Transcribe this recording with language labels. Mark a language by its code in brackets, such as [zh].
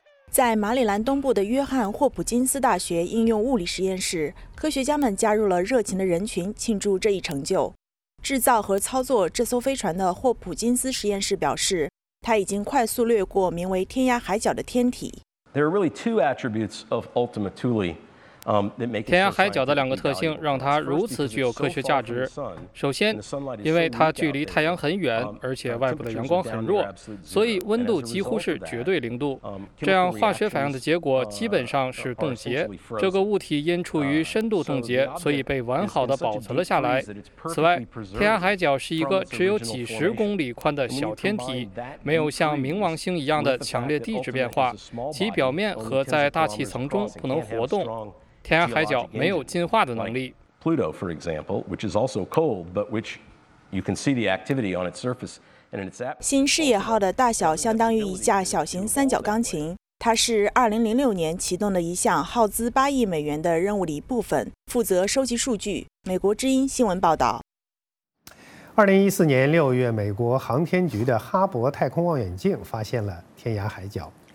[zh] 在马里兰东部的约翰霍普金斯大学应用物理实验室，科学家们加入了热情的人群庆祝这一成就。制造和操作这艘飞船的霍普金斯实验室表示，他已经快速掠过名为天涯海角的天体。 [en] There are really two attributes of Ultima Thule. [zh] 天涯海角的两个特性让它如此具有科学价值。首先，因为它距离太阳很远，而且外部的阳光很弱，所以温度几乎是绝对零度。这样化学反应的结果基本上是冻结。这个物体因处于深度冻结，所以被完好的保存了下来。此外，天涯海角是一个只有几十公里宽的小天体，没有像冥王星一样的强烈地质变化，其表面和在大气层中不能活动。天涯海角没有进化的能力。 [en] Pluto, for example, which is also cold, but which you can see the activity on its surface and in its atmosphere. [zh] 新视野号的大小相当于一架小型三角钢琴，它是2006年启动的一项耗资$8亿的任务的一部分，负责收集数据。美国之音新闻报道。 2014年6月，美国航天局的哈勃太空望远镜发现了天涯海角。